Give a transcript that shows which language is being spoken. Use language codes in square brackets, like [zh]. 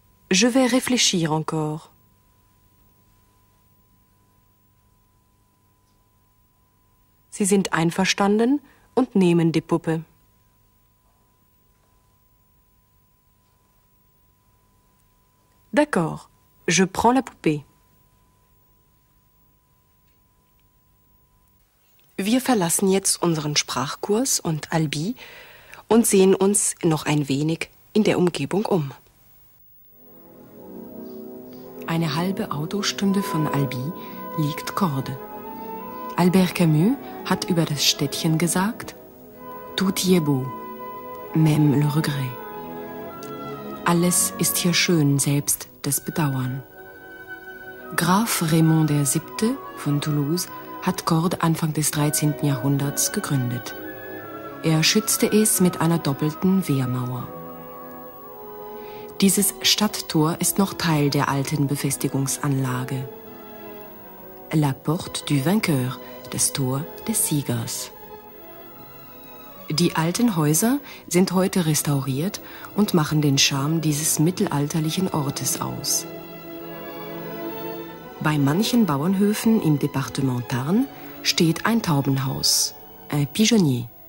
[fr] Je vais réfléchir encore. [de] Sie sind einverstanden und nehmen die Puppe. [fr] D'accord. Je prends la poupée. [de] Wir verlassen jetzt unseren Sprachkurs und Albi und sehen uns noch ein wenig in der Umgebung um. Eine halbe Autostunde von Albi liegt Corde. Albert Camus hat über das Städtchen gesagt: [fr] Tout y est beau, même le regret. [de] Alles ist hier schön, selbst das Bedauern. Graf Raymond der Siebte von Toulouse hat Corde Anfang des 13. Jahrhunderts gegründet. Er schützte es mit einer doppelten Wehrmauer. Dieses Stadttor ist noch Teil der alten Befestigungsanlage. La Porte du Vainqueur, das Tor des Siegers. Die alten Häuser sind heute restauriert und machen den Charme dieses mittelalterlichen Ortes aus. Bei manchen Bauernhöfen im Departement Tarn steht ein Taubenhaus, un pigeonnier.